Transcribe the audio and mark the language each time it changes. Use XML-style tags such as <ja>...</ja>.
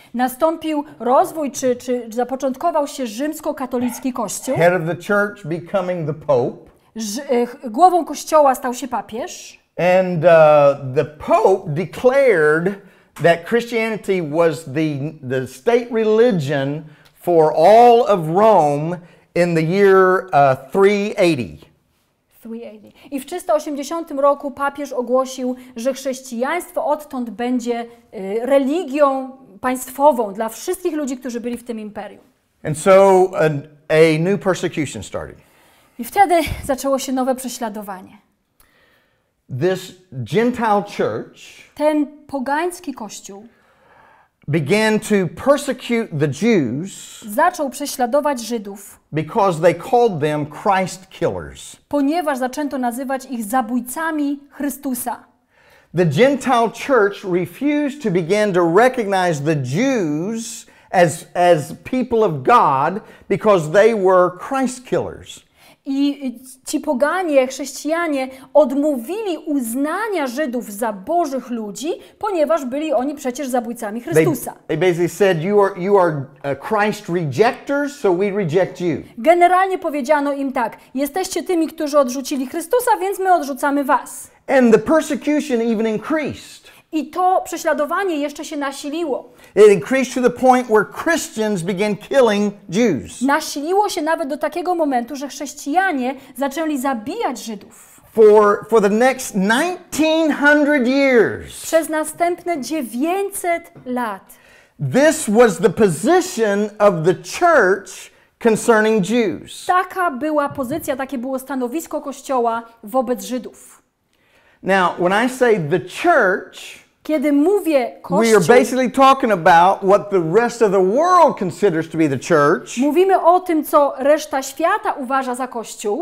<pl>Nastąpił rozwój czy zapoczątkował się rzymskokatolicki kościół.</pl> <en>Head of the church becoming the pope.</en> <pl>Głową kościoła stał się papież.</pl> <en>And the pope declared that Christianity was the state religion for all of Rome in the year 380.</en> <pl>I w 380 roku papież ogłosił, że chrześcijaństwo odtąd będzie religią państwową dla wszystkich ludzi, którzy byli w tym imperium.</pl> <en>And so a new persecution started.</en> <pl>I wtedy zaczęło się nowe prześladowanie.</pl> <en>This Gentile church,</en> <pl>ten pogański kościół,</pl> <en>began to persecute the Jews,</en> <pl>zaczął prześladować Żydów,</pl> <en>because they called them Christ killers,</en> <pl>ponieważ zaczęto nazywać ich zabójcami Chrystusa.</pl> <en>The Gentile church refused to begin to recognize the Jews as people of God because they were Christ killers.</en> <pl>I ci poganie, chrześcijanie odmówili uznania Żydów za Bożych ludzi, ponieważ byli oni przecież zabójcami Chrystusa.</pl> <en>They basically said, you are Christ rejectors, so we reject you.</en> <pl>Generalnie powiedziano im tak, jesteście tymi, którzy odrzucili Chrystusa, więc my odrzucamy was.</pl> <en>And the persecution even increased.</en> <pl>I to prześladowanie jeszcze się nasiliło.</pl> <en>It increased to the point where Christians began killing Jews.</en> <pl>Nasiliło się nawet do takiego momentu, że chrześcijanie zaczęli zabijać Żydów.</pl> <en>For the next 1900 years.</en> <pl>Przez następne 900 lat.</pl> <en>This was the position of the church concerning Jews.</en> <pl>Taka była pozycja, takie było stanowisko Kościoła wobec Żydów.</pl> <en>Now, when I say the church,</en> <pl>kiedy mówię Kościół,</pl> <en>we are basically talking about what the rest of the world considers to be the church.</en> <pl>Mówimy o tym, co reszta świata uważa za Kościół.</pl>